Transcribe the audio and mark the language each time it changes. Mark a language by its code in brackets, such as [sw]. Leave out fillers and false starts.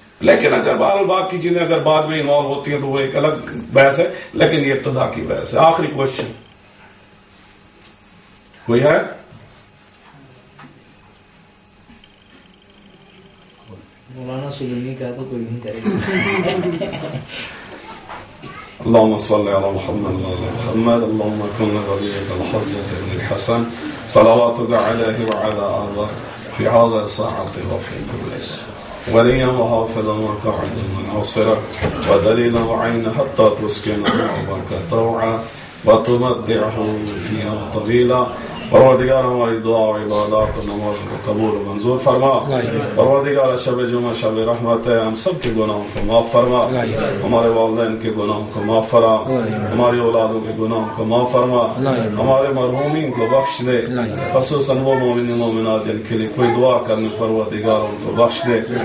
[ur] لیکن اگر باقی چیزیں اگر بعد میں انوالو ہوتی ہیں تو وہ ایک الگ بحث ہے, لیکن یہ ابتدا کی بحث ہے. آخری کوشچن کوئی ہے؟ مولانا سلیمی کا تو کوئی نہیں کرے گا. [ar] اللهم صل على محمد وعلى محمد، اللهم كن وليك الحجة بن الحسن، صلواتك عليه وعلى آله في هذا الساعة وفي كل ساعة، وليا وحافظا وقاعدا وناصرا ودليلا وعينا حتى تسكنه ربك طوعا وتمتعه فيها طويلا. [ur] پروردگار ہماری دعا و عبادات و نماز کو قبول و منظور فرما. پروردگار شب جمعہ شب رحمت ہے، ہم سب کے گناہوں کو معاف فرما، ہمارے والدین کے گناہوں کو معاف فرما، ہماری اولادوں کے گناہوں کو معاف فرما، ہمارے مرحومین کو بخش دے، خصوصاً وہ مومن مومنات جن کے لیے کوئی دعا کرنے، پروردگار ان کو بخش دے.